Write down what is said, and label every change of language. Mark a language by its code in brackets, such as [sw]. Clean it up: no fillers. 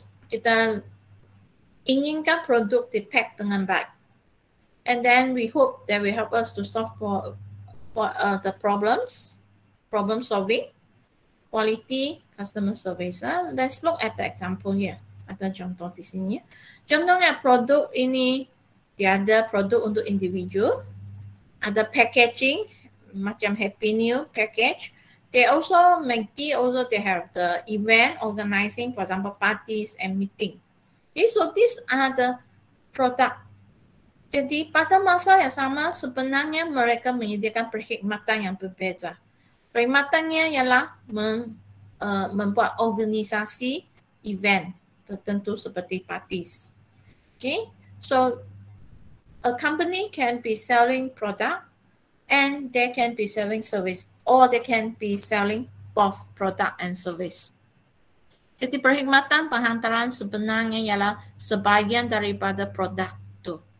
[ms] Kita inginkan produk dipack dengan baik. [en] And then we hope that will help us to solve for the problems, problem solving, quality, customer service. Let's look at the example here. [ms] Ada contoh di sini. Contohnya produk ini, dia ada produk untuk individu, ada packaging macam Happy New package. [en] They also they have the event organizing, for example parties and meeting. Okay, so these are the product. [ms] Jadi pada masa yang sama sebenarnya mereka menyediakan perkhidmatan yang berbeza. Perkhidmatannya ialah membuat organisasi event tertentu seperti parties. [en] Okay, so a company can be selling product and they can be selling service, or they can be selling both product and service. [ms] Jadi perkhidmatan penghantaran sebenarnya ialah sebahagian daripada produk tu.